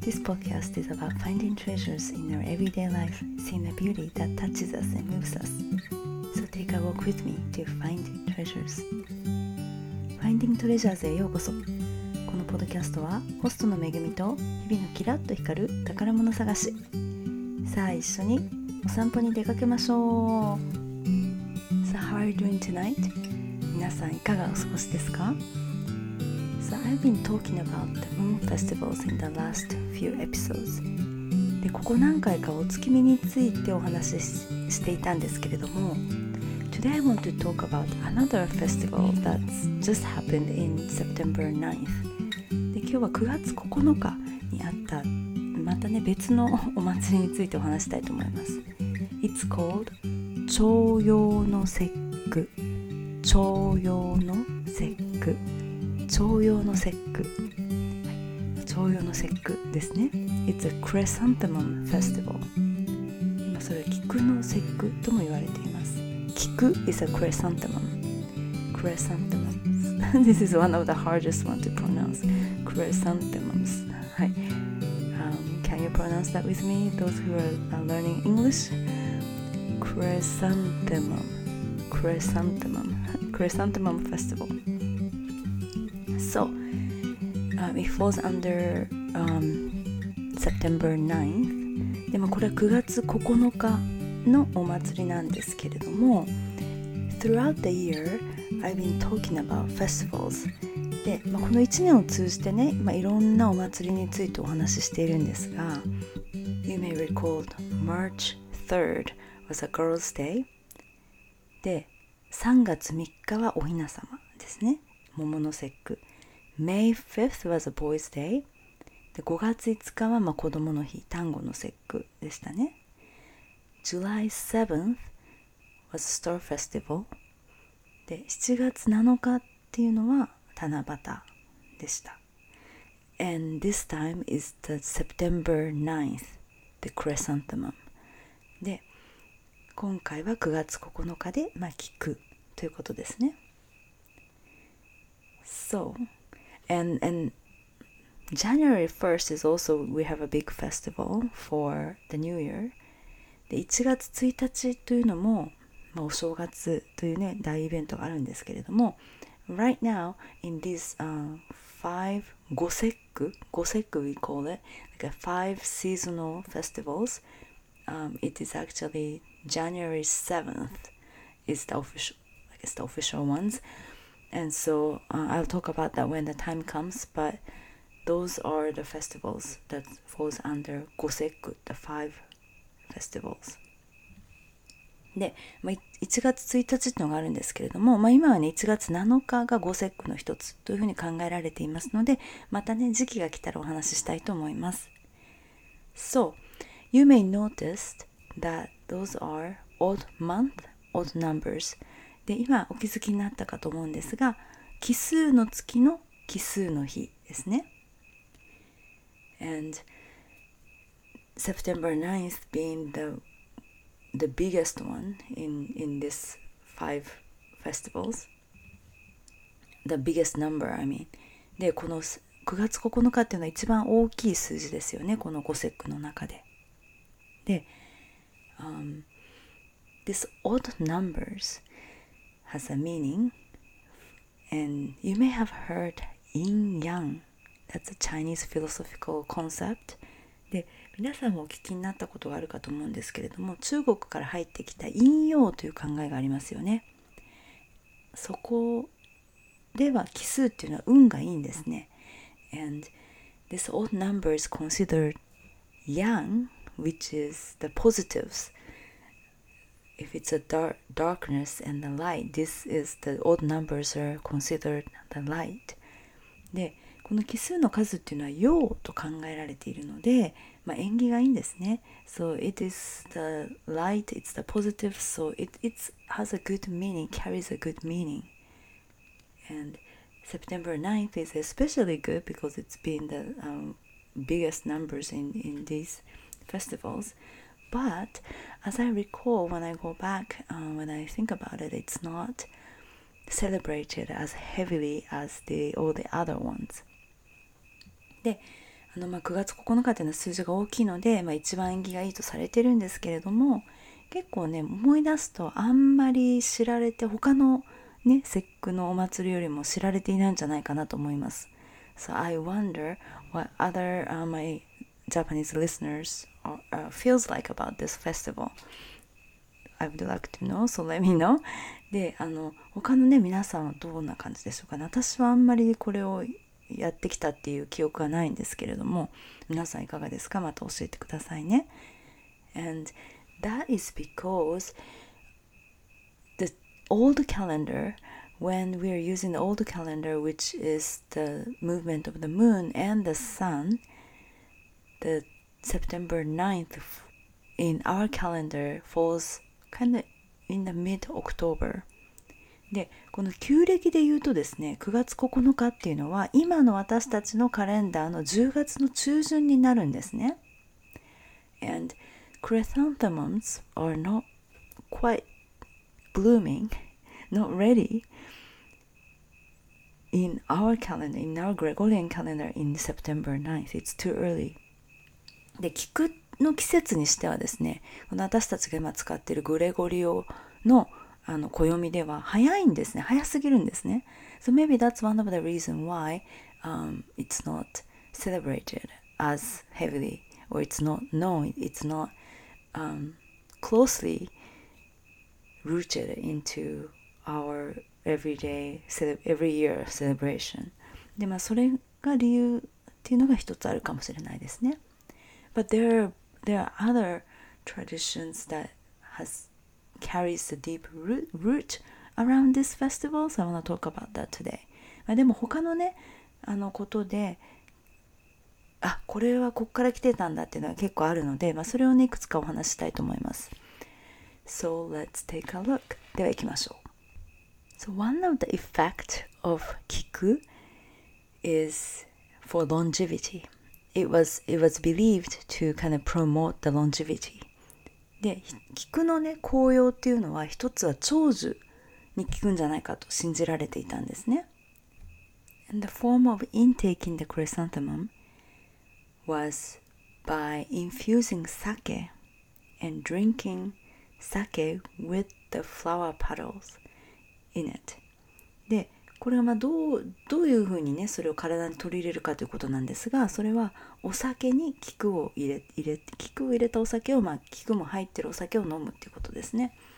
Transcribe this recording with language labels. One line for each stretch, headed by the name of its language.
English: This podcast is about finding treasures in our everyday life, seeing the beauty that touches us and moves us. So take a walk with me to find treasures.
Japanese: Finding Treasures へようこそ。このポッドキャストは、ホストの Megumi と日々のキラッと光る宝物探し。さあ一緒にお散歩に出かけましょう。
English: So how are you doing tonight?
Japanese: 皆さんいかがお過ごしですか？
English: So I've been talking about the moon festivals in the last few episodes.
Japanese: で、ここ何回かお月見についてお話し、していたんですけれども、
English: Today I want to talk about another festival that's just happened in September 9th.
Japanese: で、今日は9月9日にあったまたね、別のお祭りについてお話したいと思います。
English: It's called 朝陽の節句。
Japanese: 朝陽の節句。朝陽の節句、はい、朝陽の節句ですね。
English: It's a Chrysanthemum Festival。
Japanese: 今それは菊の節句とも言われています。
English: 菊 is a Chrysanthemum。 Chrysanthemums This is one of the hardest ones to pronounce. Chrysanthemums、
Japanese: はい、
English: Can you pronounce that with me? Those who are learning English? Chrysanthemum Chrysanthemum Chrysanthemum Festival。 So, it falls under September 9th.
Japanese: でもこれは9月9日のお祭りなんですけれども、
English: Throughout the year, I've been talking about festivals.
Japanese: で、まあ、この1年を通じてね、まあ、いろんなお祭りについてお話ししているんですが、
English: You may recall March 3rd was a girl's day.
Japanese: で、3月3日はお雛様ですね。
English: 桃の節句。May 5th was a boy's day.
Japanese: で5月5日はまあ子供の日、端午の節句でしたね。
English: July 7th was a star festival.
Japanese: で7月7日っていうのは七夕でした。
English: And this time is the September 9th, the chrysanthemum.
Japanese: で今回は9月9日で、まあ、菊ということですね。
English: So,And January 1st is also, we have a big festival for the New Year.
Japanese: で、1月1日というのも、まあ、お正月というね、大イベントがあるんですけれども、
English: Right now, in this five, 5節句 we call it, like a five seasonal festivals, it is actually January 7th is the official, I guess the official ones. And so, I'll talk about that when the time comes, but those are the festivals that falls under Goseku, the five festivals.
Japanese: で、まあ、1月1日っていうのがあるんですけれども、まあ、今はね、1月7日が Goseku の一つというふうに考えられていますので、またね、時期が来たらお話ししたいと思います。
English: So, you may notice that those are odd month, odd numbers.
Japanese: で今お気づきになったかと思うんですが、奇数の月の奇数の日ですね。
English: And September 9th being the biggest one in this five festivals. The biggest number, I mean.
Japanese: で、この9月9日っていうのは一番大きい数字ですよね、この五節句の中で。
English: で、this odd numbers,has a meaning, and you may have heard yin yang. That's a Chinese philosophical concept.
Japanese: で、皆さんもお聞きになったことがあるかと思うんですけれども、中国から入ってきた陰陽という考えがありますよね。そこでは奇数っていうのは運がいいんですね。
English: And this odd number is considered yang, which is the positives. If it's a darkness and the light, this is the odd numbers are considered the light.
Japanese: で、この奇数の数っていうのは陽と考えられているので、まあ縁起がいいんですね。
English: So it is the light, it's the positive, so it has a good meaning, carries a good meaning. And September 9th is especially good because it's been the biggest numbers in these festivals. But as I recall, when I go back, when I think about it, it's not celebrated as heavily as the, all the other ones.
Japanese: で、あのまあ9月9日というのは数字が大きいので、まあ、一番縁起がいいとされてるんですけれども、結構ね、思い出すとあんまり知られて、他のね、節句のお祭りよりも知られていないんじゃないかなと思います。
English: So I wonder what other my Japanese listeners are, feels like about this festival. I would like to know, so let me know.
Japanese: で、あの、他のね、皆さんはどんな感じでしょうか。私はあんまりこれをやってきたっていう記憶はないんですけれども、皆さんいかがですか。また教えてくださいね。
English: And that is because the old calendar, when we are using the old calendar, which is the movement of the moon and the sun, the September 9th in our calendar fallskind of in the mid-October.
Japanese: で、この旧暦で言うとですね、9月9日っていうのは今の私たちのカレンダーの10月の中旬になるんですね。
English: And chrysanthemums are not quite blooming, not ready in our calendar, in our Gregorian calendar in September 9th. It's too early.
Japanese: で、聞くの季節にしてはですね、この私たちが今使っているグレゴリオの、あの暦では早いんですね。早すぎるんですね。
English: So maybe that's one of the reason why、it's not celebrated as heavily or it's not known, it's not、closely rooted into our everyday, every year celebration.
Japanese: で、まあそれが理由っていうのが一つあるかもしれないですね。
English: But there areThere are other traditions that has carries a deep root around this festival, so I want to talk about that today.
Japanese: まあでも他のね、あのことで、あ、これはこっから来てたんだっていうのは結構あるので、まあそれをね、いくつかお話したいと思います。
English: So let's take a look.
Japanese: では行きましょう。
English: So one of the effect of kiku is for longevity. It was believed to kind of promote the longevity.
Japanese: で、菊のね、効用っていうのは一つは長寿に効くんじゃないかと信じられていたんですね。
English: And the form of intaking the chrysanthemum was by infusing sake and drinking sake with the flower petals in it.
Japanese: で、これはまあどういうふうにね、それを体に取り入れるかということなんですが、それはお酒に菊を入れて、菊を入れたお酒を、まあ菊も入ってるお酒を飲むっていうことですね。